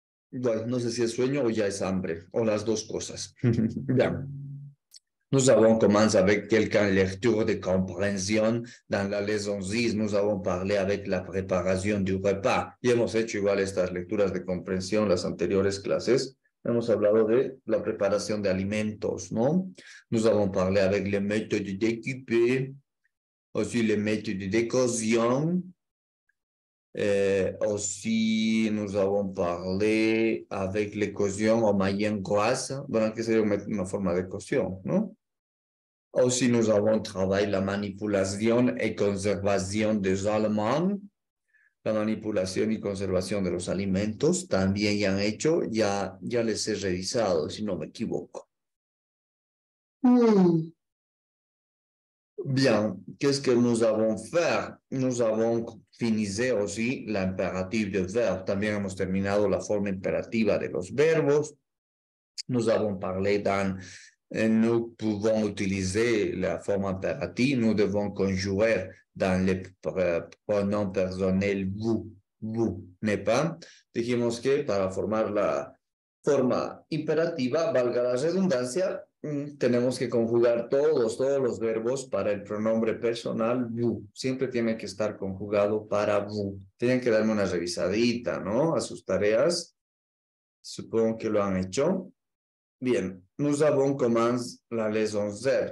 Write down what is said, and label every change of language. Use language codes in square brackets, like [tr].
[es] Bueno, no sé si es sueño o ya es hambre, o las dos cosas. Ya. [fr] Nous avons commencé avec quelques lectures de compréhension dans la leçon 6. Nous avons parlé avec la préparation du repas. [es] Y hemos hecho igual estas lecturas de comprensión, las anteriores clases. Hemos hablado de la preparación de alimentos, ¿no? [fr] Nous avons parlé avec les méthodes d'équiper, aussi les méthodes de cocción. Aussi, nous avons parlé avec les cuisines en moyenne grasse. [es] Bueno, que sería una forma de cocción, ¿no? [fr] Aussi, nous avons travaillé [es] la manipulación y conservación de los aliments. La manipulación y conservación de los alimentos también ya han hecho, ya les he revisado, si no me equivoco. [fr] Bien, qu'est-ce que nous avons fait? Nous avons fini aussi l'impératif de verbe. [es] También hemos terminado la forma imperativa de los verbos. [fr] Nous avons parlé dans... Nous pouvons utiliser [es] la forma imperativa. [fr] Nous devons conjuguer dans le pronom personnel vous. Vous, n'est pas? [es] Dijimos que para formar la forma imperativa, valga la redundancia, tenemos que conjugar todos los verbos para el pronombre personal vu. Siempre tiene que estar conjugado para vu. Tienen que darme una revisadita, ¿no? A sus tareas. Supongo que lo han hecho. Bien. [fr] Nous avons commencé la leçon 7.